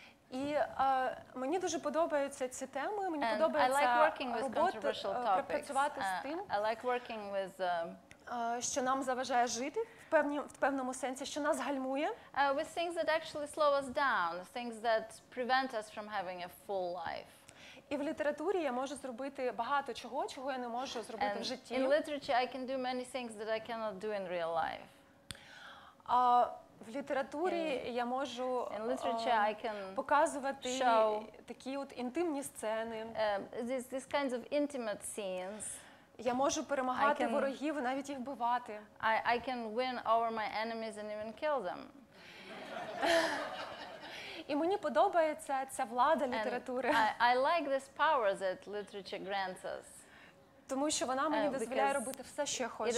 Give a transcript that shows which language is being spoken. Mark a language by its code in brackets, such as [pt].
[uk] І мені дуже подобаються ці теми. Мені подобається [en] I like working with controversial topics. I like working with [uk] що нам заважає жити. В певному сенсі, що нас гальмує. [en] With things that actually slow us down, things that prevent us from having a full life. [uk] І в літературі я можу зробити багато чого, чого я не можу зробити [en] and [uk] в житті. [en] In literature I can do many things that I cannot do in real life. [uk] В літературі я можу показувати такі от інтимні сцени. [en] These kinds of intimate scenes. [uk] Я можу перемагати ворогів, навіть їх вбивати. [en] I can win over my enemies and even kill them. [uk] І мені подобається ця влада літератури. [en] I like this power that literature grants us. [uk] Тому що вона мені дозволяє робити все, що я хочу.